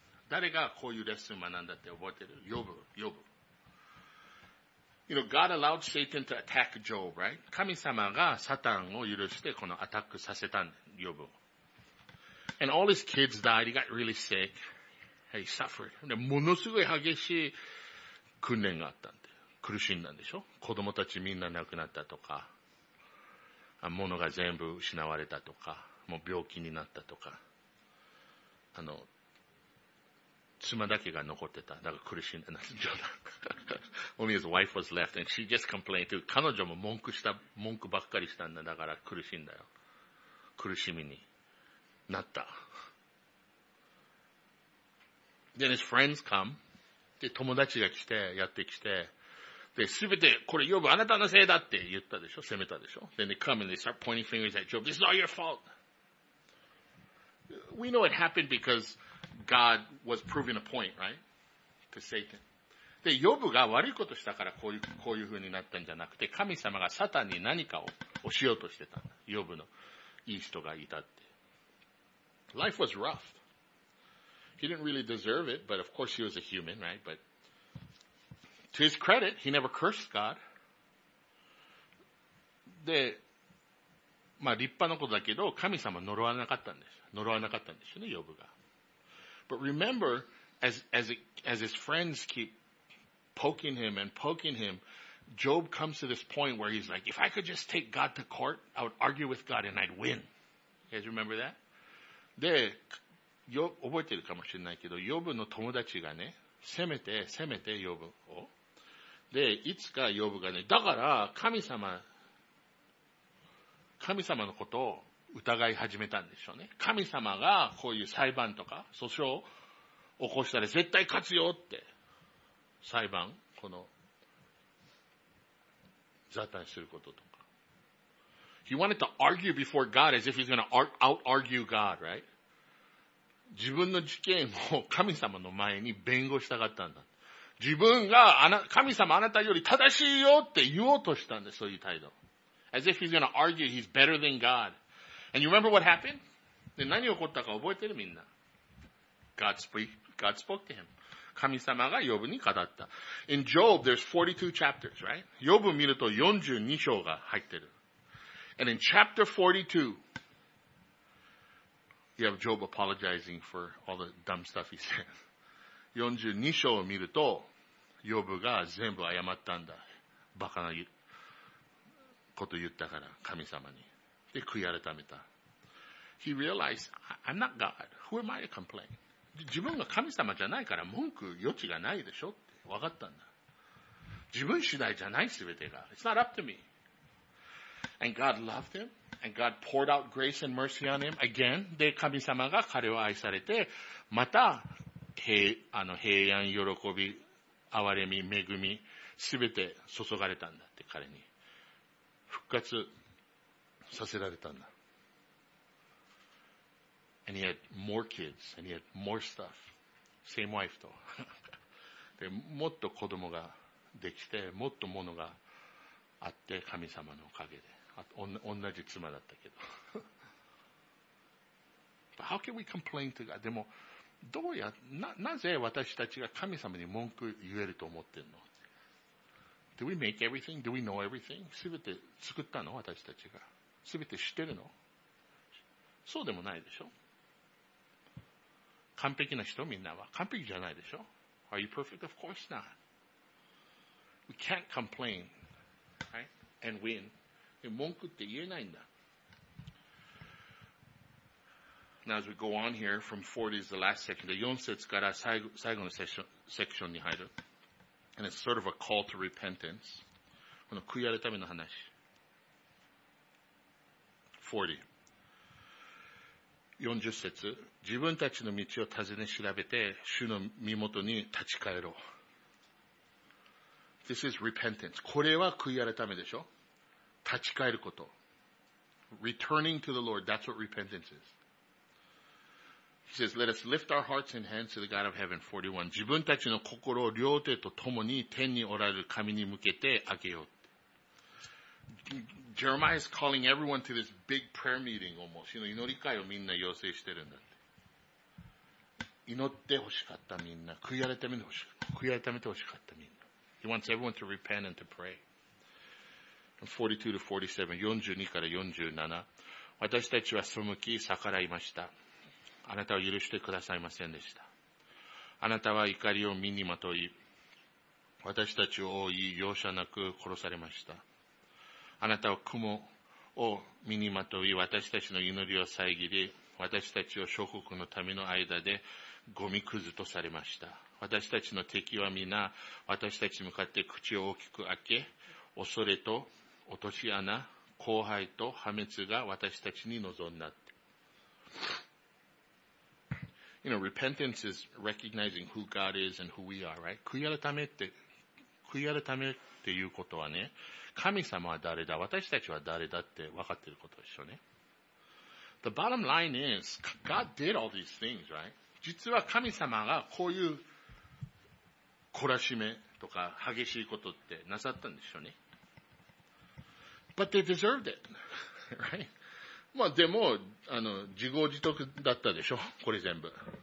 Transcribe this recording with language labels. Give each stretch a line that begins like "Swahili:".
Japanese: 誰がこういうレッスン学んだって覚えてる？ヨブ。
English: You know, God allowed Satan to attack Job, right?
Japanese: 神様がサタンを許してこのアタックさせたんだ、ヨブ。
English: And all his kids died. He got really sick.He suffered.
Japanese: ものすごい激しい訓練があったんで、苦しんだんでしょ。子供たちみんな亡くなったとか、物が全部失われたとか、もう病気になったとか、妻だけが残ってた。だから苦しんだんです。冗談。
English: Only his wife was left and she just complained too.
Japanese: 彼女も文句した、文句ばっかりしたんだ。だから苦しんだよ。苦しみになった。
English: Then his friends come.
Japanese: で、友達が来て、やってきて。で、すべて、これ、ヨブ、あなたのせいだって言ったでしょ、責めたでしょ。
English: Then they come and they start pointing fingers at Job. This is all your fault. We know it happened because God was proving a point, right? To Satan.
Japanese: で、ヨブが悪いことしたからこういう風になったんじゃなくて、神様がサタンに何かをしようとしてたんだ。ヨブのいい人がいたって。 Life was rough. He didn't really deserve it, but of course he was a human, right? But to his credit, he never cursed God. で、まあ立派なことだけど、神様呪わなかったんです。呪わなかったんですよね、ヨブが。
English: But remember, as his friends keep poking him and poking him, Job comes to this point where he's like, if I could just take God to court, I would argue with God and I'd win. You guys remember that?
Japanese: で、覚えてるかもしれないけど、ヨブの友達がね、攻めてヨブを。で、いつかヨブがね、だから神様のことを疑い始めたんでしょうね。神様がこういう裁判とか訴訟を起こしたら絶対勝つよって、裁判、この、雑談することとか。
English: He wanted to argue before God as if he's going to out-argue God, right?
Japanese: 自分の事件を神様の前に弁護したかったんだ。自分が神様あなたより正しいよって言おうとしたんだ、そういう態度。
English: As if he's gonna argue he's better than God. And you remember what happened?
Japanese: で、何起こったか覚えてるみんな。
English: God spoke to him.
Japanese: 神様がヨブに語った。
English: In Job, there's 42 chapters, right?
Japanese: ヨブ見ると42章が入ってる。
English: And in chapter 42,You have Job apologizing for all the dumb stuff he said.
Japanese: 42章を見ると、ヨブが全部謝ったんだ。バカなこと言ったから、神様に。で、悔い改めた。
English: He realized, I'm not God. Who am I to complain?
Japanese: 自分が神様じゃないから文句余地がないでしょって分かったんだ。自分次第じゃない、すべてが。
English: It's not up to me. And God loved him. And God poured out grace and mercy on him again.
Japanese: で、神様が彼を愛されて、また、平安、喜び、憐れみ、恵み、すべて注がれたんだって、彼に。復活させられたんだ。
English: And he had more kids, and he had more stuff. Same wife と。
Japanese: で、もっと子供ができて、もっとものがあって、神様のおかげで。同じ妻だったけど。
English: But how can we complain to God?
Japanese: でも、なぜ私たちが神様に文句言えると思ってんの
English: ?Do we make everything? Do we know everything?
Japanese: すべて作ったの私たちが。すべて知ってるのそうでもないでしょ完璧な人みんなは。完璧じゃないでしょ
English: ?Are you perfect? Of course not.We can't complain, right? And win.
Japanese: 文句って言えないんだ。
English: Now as we go on here, from 40 is the last section.
Japanese: で、4節から最後のセクションに入る。
English: And it's sort of a call to repentance.
Japanese: この悔い改めの話。 40節。自分たちの道を尋ね調べて、主の身元に立ち返ろう。
English: This is repentance.
Japanese: これは悔い改めでしょ立ち返ること。
English: Returning to the Lord, that's what repentance is. He says, let us lift our hearts and hands to the God of heaven, 41.
Japanese: 自分たちの心を両手と共に天におられる神に向けてあげよう。
English: Jeremiah is calling everyone to this big prayer meeting almost. You know,
Japanese: 祈り会をみんな要請してるんだって。祈ってほしかったみんな。悔い改めてほしかったみんな。
English: He wants everyone to repent and to pray.
Japanese: 42から47。私たちは背き逆らいました。あなたは許してくださいませんでした。あなたは怒りを身にまとい、私たちを覆い容赦なく殺されました。あなたは雲を身にまとい私たちの祈りを遮り、私たちを諸国の民の間でゴミくずとされました。私たちの敵は皆私たちに向かって口を大きく開け、恐れと落とし穴、荒廃と破滅が私たちに望んだって。
English: You know, repentance is recognizing who God is and who we are, right?
Japanese: 悔い改めっていうことはね、神様は誰だ、私たちは誰だって分かってることでしょうね。
English: The bottom line is, God did all these things, right?
Japanese: 実は神様がこういう懲らしめとか激しいことってなさったんでしょうね。
English: But they deserved it, right?
Japanese: まあでも、自業自得だったでしょ、これ全部。